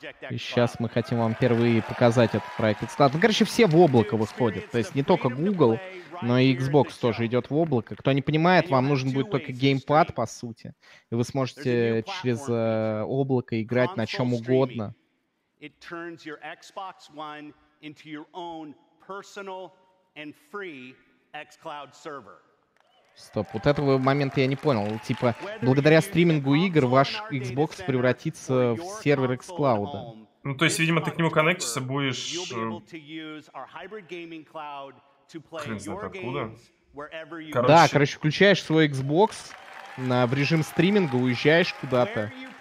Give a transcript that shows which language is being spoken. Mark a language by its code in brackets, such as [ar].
[ru] И сейчас мы хотим вам впервые показать этот проект xCloud. Ну, короче, все в облако выходят. То есть не только Google, но и Xbox тоже идет в облако. Кто не понимает, вам нужен будет только геймпад, по сути. И вы сможете через облако играть на чем угодно. [en] It turns your Xbox One into your own personal and free xCloud server. [ru] Стоп, вот этого момента я не понял. Типа, благодаря стримингу игр ваш Xbox превратится в сервер xCloud. Ну, то есть, видимо, ты к нему коннектиться будешь... Блин, знает откуда. Да, короче, включаешь свой Xbox в режим стриминга, уезжаешь куда-то.